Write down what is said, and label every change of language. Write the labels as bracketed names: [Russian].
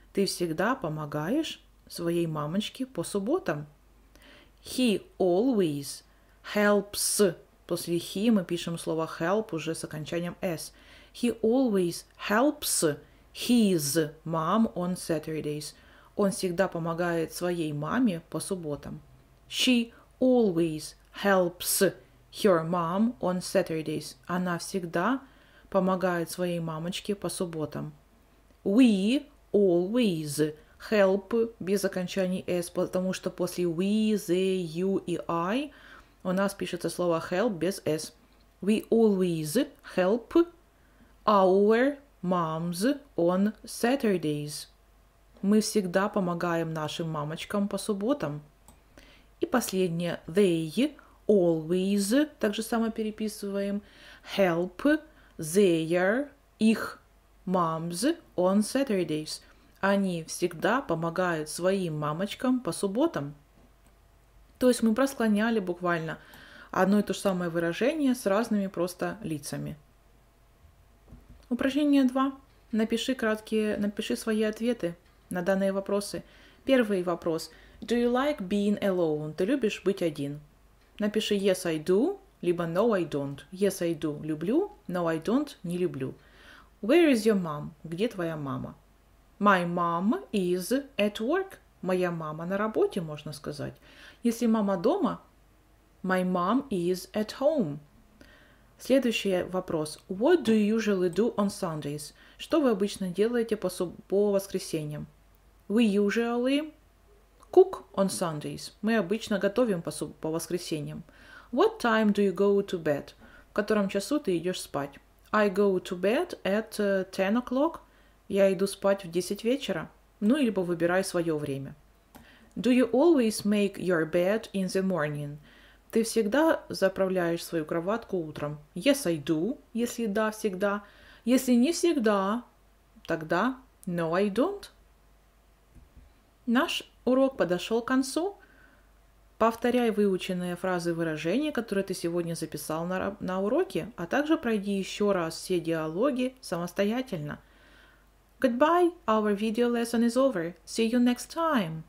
[Russian] Ты всегда помогаешь своей мамочке по субботам. [English] He always helps. [Russian] После he мы пишем слово help уже с окончанием s. [English] He always helps his mom on Saturdays. [Russian] Он всегда помогает своей маме по субботам. [English] She always helps her mom on Saturdays. [Russian] Она всегда помогает своей мамочке по субботам. [English] We always help [Russian] без окончания s, потому что после we, they, you и I у нас пишется слово help без s. [English] We always help our moms on Saturdays. [Russian] Мы всегда помогаем нашим мамочкам по субботам. И последнее. [English] They always. [Russian] Так же самое переписываем. [English] Help their, [Russian] их, [English] moms on Saturdays. [Russian] Они всегда помогают своим мамочкам по субботам. То есть мы просклоняли буквально одно и то же самое выражение с разными просто лицами. Упражнение 2. Напиши свои ответы на данные вопросы. Первый вопрос. [English] Do you like being alone? [Russian] Ты любишь быть один? [English] Напиши yes, I do, [Russian] либо [English] no, I don't. Yes, I do, [Russian] люблю, [English] no, I don't, [Russian] не люблю. [English] Where is your mom? [Russian] Где твоя мама? [English] My mom is at work. [Russian] Моя мама на работе, можно сказать. Если мама дома, [English] my mom is at home. [Russian] Следующий вопрос. [English] What do you usually do on Sundays? [Russian] Что вы обычно делаете по воскресеньям? [English] We usually cook on Sundays. [Russian] Мы обычно готовим по воскресеньям. [English] What time do you go to bed? [Russian] В котором часу ты идешь спать? [English] I go to bed at 10 o'clock. [Russian] Я иду спать в 10 вечера. Ну, либо выбирай свое время. [English] Do you always make your bed in the morning? [Russian] Ты всегда заправляешь свою кроватку утром? [English] Yes, I do. [Russian] Если да, всегда. Если не всегда, тогда no, I don't. Наш урок подошел к концу. Повторяй выученные фразы и выражения, которые ты сегодня записал на уроке, а также пройди еще раз все диалоги самостоятельно. [English] Goodbye, our video lesson is over. See you next time.